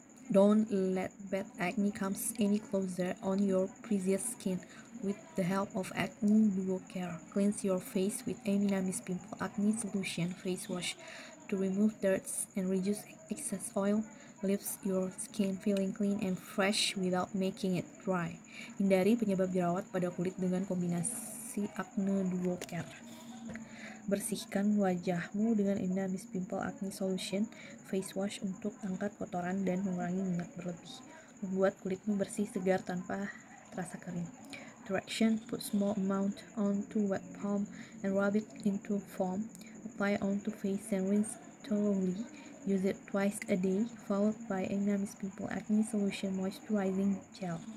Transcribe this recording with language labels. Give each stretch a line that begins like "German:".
English: Don't let bad acne comes any closer on your precious skin. With the help of Acne Duo Care, cleanse your face with Emina Miss Pimple Acne Solution Face Wash to remove dirt and reduce excess oil. Leaves your skin feeling clean and fresh without making it dry.
Indonesian: Hindari penyebab jerawat pada kulit dengan kombinasi Acne Duo Care. Bersihkan wajahmu dengan Emina Miss Pimple Acne Solution Face Wash untuk angkat kotoran dan mengurangi minyak berlebih. Membuat kulitmu bersih segar tanpa terasa kering.
English: Direction: put small amount onto wet palm and rub it into foam. Apply onto face and rinse thoroughly. Use it twice a day, followed by Emina Miss Pimple Acne Solution Moisturizing Gel.